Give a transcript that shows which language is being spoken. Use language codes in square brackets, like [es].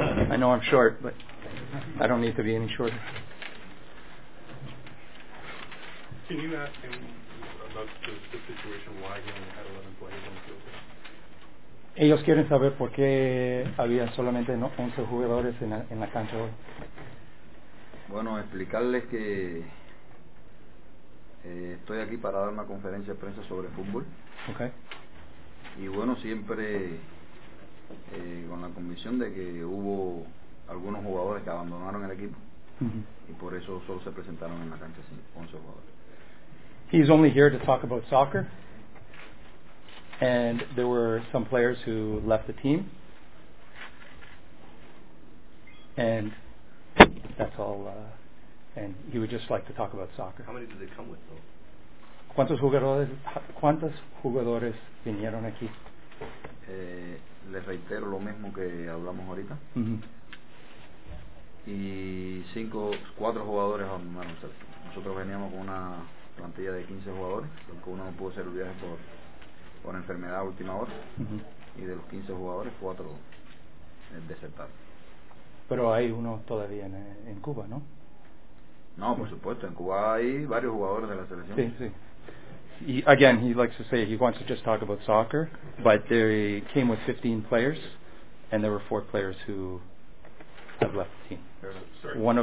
[en] I know I'm short, but I don't need to be any shorter. Can you ask him about the situation why he only had 11 players on the field? [es] Ellos quieren saber por qué había solamente 11 jugadores en la cancha hoy. Bueno, explicarles que estoy aquí para dar una conferencia de prensa sobre fútbol. [en] Okay. [es] Y bueno, siempre con la convicción de que hubo algunos jugadores que abandonaron el equipo. Uh-huh. Y por eso solo se presentaron en la cancha 11 jugadores. [en] He's only here to talk about soccer. And there were some players who left the team. And that's all. And he would just like to talk about soccer. How many did they come with, though? [es] ¿Cuántos jugadores vinieron aquí? Les reitero lo mismo que hablamos ahorita. Mm-hmm. Y cuatro jugadores abandonaron. Nosotros veníamos con una plantilla de 15 jugadores, porque uno no pudo hacer el viaje por enfermedad a última hora. Mm-hmm. Y de los 15 jugadores, cuatro desertaron. Pero hay uno todavía en Cuba, ¿no? No, por supuesto. En Cuba hay varios jugadores de la selección. Sí, sí. [en] He likes to say he wants to just talk about soccer, but they came with 15 players, and there were four players who have left the team.